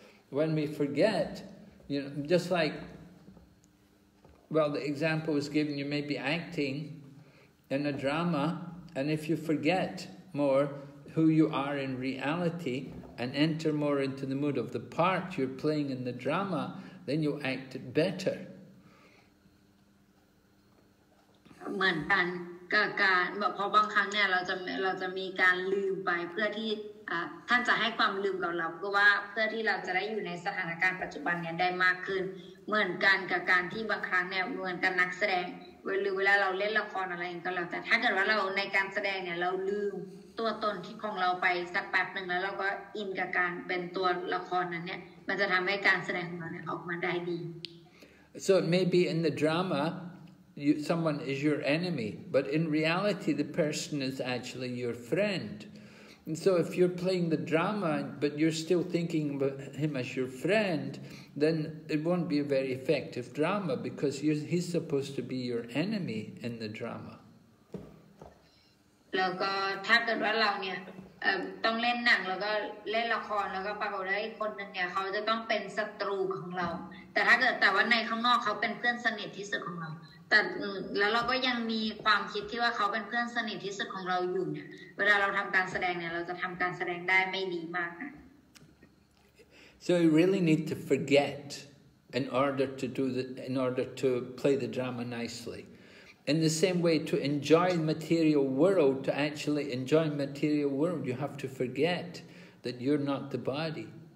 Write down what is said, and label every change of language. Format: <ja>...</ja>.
<en>When we forget, you know, just like. Well, the example is given. You may be acting, in a drama, and if you forget. More who you are in reality and enter more into the mood of the part you're playing in the drama, then you act better.</en> <th>เหมือนกันกับการเพราะบางครั้งเนี่ยเราจะมีการลืมไปเพื่อที่ท่านจะให้ความลืมกับเราก็ว่าเพื่อที่เราจะได้อยู่ในสถานการณ์ปัจจุบันเนี่ยได้มากขึ้นเหมือนกันกับการที่บางครั้งเนี่ยเหมือนกับนักแสดงหรือเวลาเราเล่นละครอะไรก็แล้วแต่ถ้าเกิดว่าเราในการแสดงเนี่ยเราลืมตัวตนที่ของเราไปสักแป๊บหนึ่งแล้วเราก็อินกับการเป็นตัวละครนั้นเนี่ยมันจะทำให้การแสดงของเราเนี่ยออกมาได้ดี</th> <en>so it may be in the drama you, someone is your enemy but in reality the person is actually your friend so if you're playing the drama but you're still thinking about him as your friend, then it won't be a very effective drama because he's supposed to be your enemy in the drama.</en> <th>แล้วก็ถ้าเกิดว่าเราเนี่ยต้องเล่นหนังแล้วก็เล่นละครแล้วก็ปรากฏว่าไอ้คนนึงเนี่ยเขาจะต้องเป็นศัตรูของเราแต่ถ้าเกิดแต่ว่าในข้างนอกเขาเป็นเพื่อนสนิทที่สุดของเราแต่แล้วเราก็ยังมีความคิดที่ว่าเขาเป็นเพื่อนสนิทที่สุดของเราอยู่เนี่ยเวลาเราทำการแสดงเนี่ยเราจะทำการแสดงได้ไม่ดีมากนะ</th> <en>So you really need to forget in order to do the in order to play the drama nicely. In the same way, to enjoy material world, to actually enjoy material world, you have to forget that you're not the body.</en>